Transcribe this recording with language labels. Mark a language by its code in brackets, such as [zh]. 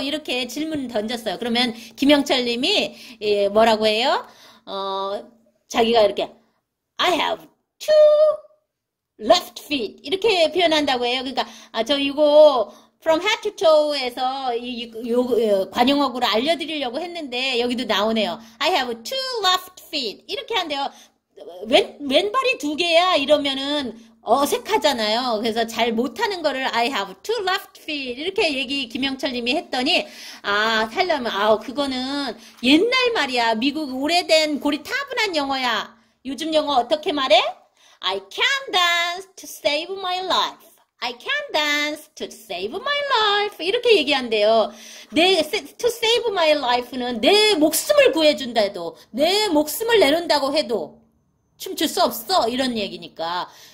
[ko] 이렇게 질문을 던졌어요. 그러면 김영철 님이 뭐라고 해요? 자기가 이렇게 [en] I have two left feet [ko] 이렇게 표현한다고 해요. 그러니까 아, 저 이거 from head to toe에서 관용어구를 알려드리려고 했는데 여기도 나오네요. [en] I have two left feet [ko] 이렇게 한대요. 왼발이 두 개야 이러면은 어색하잖아요. 그래서 잘 못하는 거를 [en] I have two left feet [ko] 이렇게 얘기 김영철 님이 했더니 아, 하려면 아, 그거는 옛날 말이야. 미국 오래된 고리타분한 영어야. 요즘 영어 어떻게 말해? [en] I can dance to save my life. I can dance to save my life. [ko] 이렇게 얘기한대요. To save my life는 내 목숨을 구해준다 해도, 내 목숨을 내놓는다고 해도 춤출 수 없어. 이런 얘기니까.